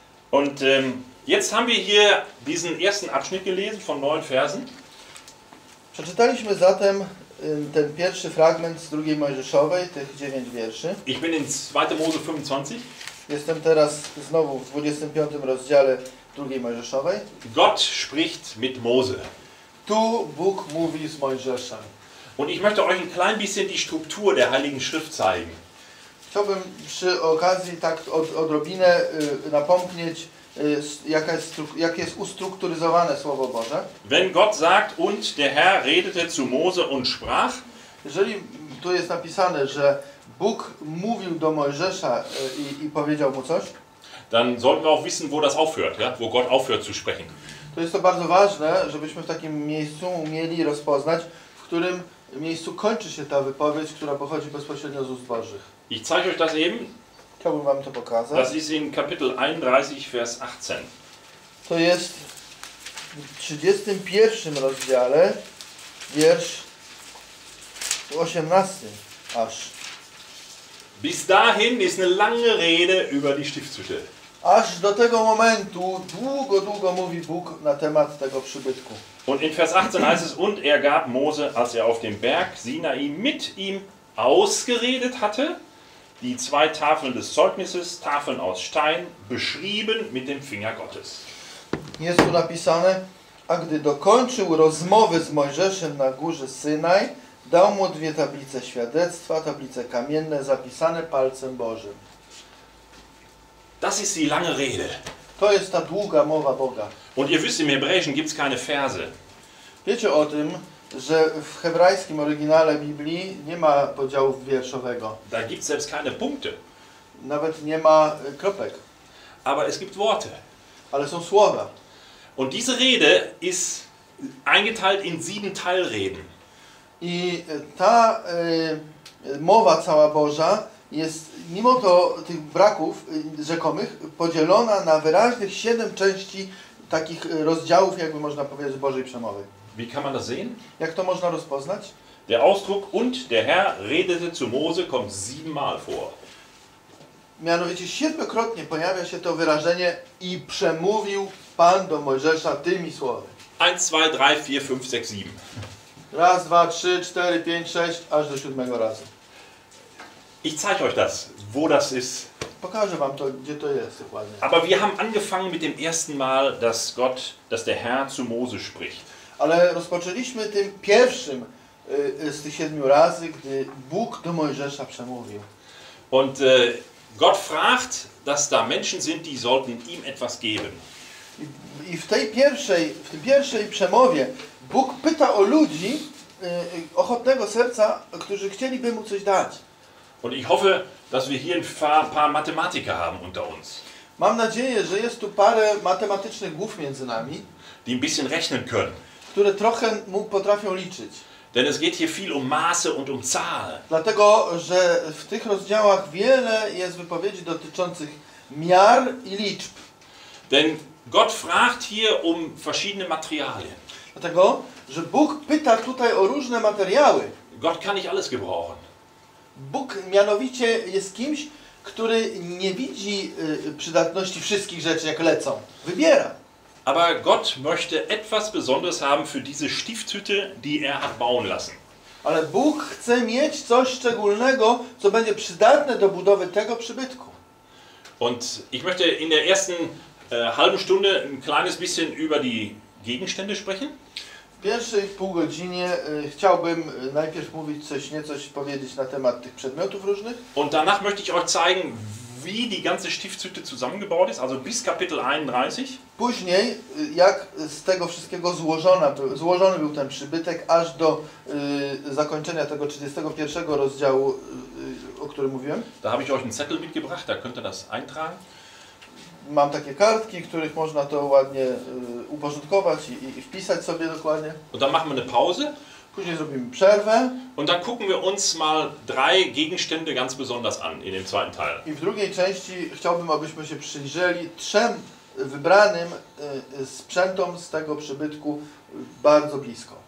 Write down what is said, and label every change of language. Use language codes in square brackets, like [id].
[de] Und jetzt haben wir hier diesen ersten Abschnitt gelesen von 9 Versen. [pl] Przeczytaliśmy zatem ten pierwszy fragment z drugiej Mojżeszowej, tych 9 wierszy. [de] Ich bin in 2. Mose 25. [pl] Jestem teraz znowu w 25. rozdziale drugiej Mojżeszowej. [de] Gott spricht mit Mose. [pl] Tu Bóg mówi z Mojżeszem. [de] Und ich möchte euch ein klein bisschen die Struktur der Heiligen Schrift zeigen. [pl] Chciałbym przy okazji tak odrobinę napomknieć, jak jest ustrukturyzowane Słowo Boże. [de] Wenn Gott sagt, und der Herr redete zu Mose und sprach. [pl] Jeżeli tu jest napisane, że Bóg mówił do Mojżesza i powiedział mu coś. [de] Dann sollten wir auch wissen, wo das aufhört, ja? Wo Gott aufhört zu sprechen. [pl] To jest to bardzo ważne, żebyśmy w takim miejscu umieli rozpoznać, w którym miejscu kończy się ta wypowiedź, która pochodzi bezpośrednio z ust Bożych. [de] Ich zeige euch das eben. [pl] Chciałbym wam to pokazać. [de] Das ist in Kapitel 31, Vers 18. [pl] To jest w 31 rozdziale, wiersz 18 aż. [de] Bis dahin ist eine lange Rede über die Stiftshütte. [pl] Aż do tego momentu długo, długo mówi Bóg na temat tego przybytku. [de] Und in Vers 18 heißt es, und er gab Mose, als er auf dem Berg Sinai mit ihm ausgeredet hatte, die zwei Tafeln des Zeugnisses, Tafeln aus Stein, beschrieben mit dem Finger Gottes. [pl] Jest tu napisane: a gdy dokończył rozmowy z Mojżeszem na górze Synaj, dał mu dwie tablice świadectwa, tablice kamienne, zapisane palcem Bożym. [de] Das ist die lange Rede. [pl] To jest ta długa mowa Boga. [de] Und ihr wisst, im Hebräischen gibt's keine Verse. [pl] Wiecie o tym, że w hebrajskim oryginale Biblii nie ma podziału wierszowego. [de] Da gibt's selbst keine Punkte. [pl] Nawet nie ma kropek. [de] Aber es gibt Worte. [pl] Ale są słowa. [de] Und diese Rede ist eingeteilt in 7 Teilreden. [pl] I ta mowa cała Boża jest, mimo to tych braków rzekomych, podzielona na wyraźnych 7 części takich rozdziałów, jakby można powiedzieć, Bożej przemowy. [de] Wie kann man das sehen? [pl] Jak to można rozpoznać? [de] Der Ausdruck und der Herr redete zu Mose kommt 7-mal vor. [pl] Mianowicie 7-krotnie pojawia się to wyrażenie i przemówił Pan do Mojżesza tymi słowy. [de] 1, 2, 3, 4, 5, 6, 7. [pl] Raz, dwa, trzy, cztery, pięć, sześć, aż do 7 razu. [de] Ich zeige euch das, wo das ist. [pl] Pokażę wam to, gdzie to jest dokładnie. [de] Aber wir haben angefangen mit dem ersten Mal, dass Gott, dass der Herr zu Mose spricht. [pl] Ale rozpoczęliśmy tym pierwszym z tych 7 razy, gdy Bóg do Mojżesza przemówił. [de] Und Gott fragt, dass da Menschen sind, die sollten ihm etwas geben. [pl] I w tej pierwszej, przemowie Bóg pyta o ludzi ochotnego serca, którzy chcieliby mu coś dać. [de] Und ich hoffe, dass wir hier ein paar Mathematiker haben unter uns. [pl] Mam nadzieję, że jest tu parę matematycznych głów między nami, [de] die ein bisschen rechnen können. [pl] Które trochę mu potrafią liczyć. [de] Denn es geht hier viel um Maße und um Zahl. [pl] Dlatego, że w tych rozdziałach wiele jest wypowiedzi dotyczących miar i liczb. [de] Denn Gott fragt hier um verschiedene Materialien. [pl] Dlatego, że Bóg pyta tutaj o różne materiały. [de] Gott kann nicht alles gebrauchen. [pl] Bóg mianowicie jest kimś, który nie widzi przydatności wszystkich rzeczy, jak lecą. Wybiera. [de] Aber Gott möchte etwas Besonderes haben für diese Stiftshütte, die er hat bauen lassen. [pl] Ale Bóg chce mieć coś szczególnego, co będzie przydatne do budowy tego przybytku. [de] Und ich möchte in der ersten halben Stunde ein kleines bisschen über die Gegenstände sprechen. [pl] W pierwszej pół godzinie chciałbym najpierw mówić coś nieco powiedzieć na temat tych przedmiotów różnych. [de] Und danach möchte ich euch zeigen, wie die ganze Stiftshütte zusammengebaut ist, also bis Kapitel 31. [pl] Później, jak z tego wszystkiego złożony był ten przybytek, aż do zakończenia tego 31 rozdziału, o którym mówiłem. [de] Da habe ich euch einen Zettel mitgebracht, da könnt ihr das eintragen. [pl] Mam takie kartki, których można to ładnie uporządkować i wpisać sobie dokładnie. [de] Und dann machen wir eine Pause. [pl] Później zrobimy przerwę. [de] Und dann gucken wir uns mal drei Gegenstände ganz besonders an in dem zweiten Teil. [pl] I w drugiej części chciałbym, abyśmy się przyjrzeli trzem wybranym sprzętom z tego przybytku bardzo blisko.